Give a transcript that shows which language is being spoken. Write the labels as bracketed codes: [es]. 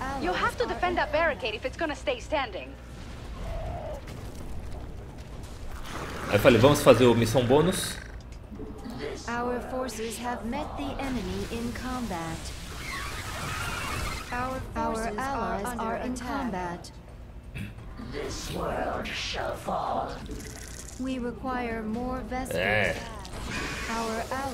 [en] You have to defend that barricade if it's gonna stay standing. [pt] Aí falei, vamos fazer o missão bônus. [en] Our forces have met the enemy in combat. Our allies are in combat. This world shall fall. We require more vessels. [pt] É. [en] Our allies.